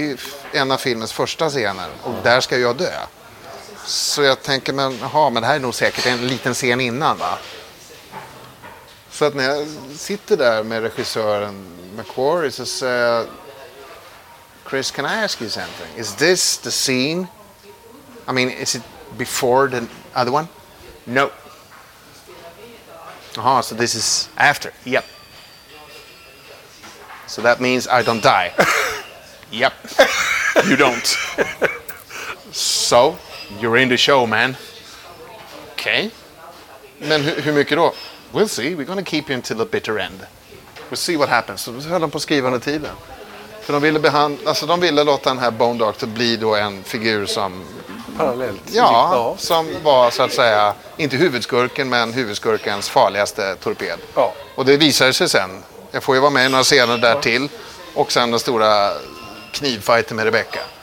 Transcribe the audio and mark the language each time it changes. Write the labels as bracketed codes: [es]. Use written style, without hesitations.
[sv] Det är en av filmens första scener och där ska jag dö. Så jag tänker, men aha, men det här är nog säkert en liten scen innan, va? Så att när jag sitter där med regissören McQuarrie så säger jag, [en] Chris, can I ask you something? Is this the scene? I mean, is it before the other one? No. Aha, so this is after? Yep. So that means I don't die? Yep. You don't. So? You're in the show, man. Okay. [sv] Men hur mycket då? [en] We'll see. We're gonna keep you until the bitter end. We'll see what happens. [sv] Så höll de på skrivande tiden. För de ville behandla, alltså de ville låta den här Bone Doctor bli då en figur som... parallellt. Ja, som var så att säga, inte huvudskurken, men huvudskurkens farligaste torped. Ja. Och det visade sig sen. Jag får ju vara med i några scener där till. Och sen den stora knivfighten med Rebecca.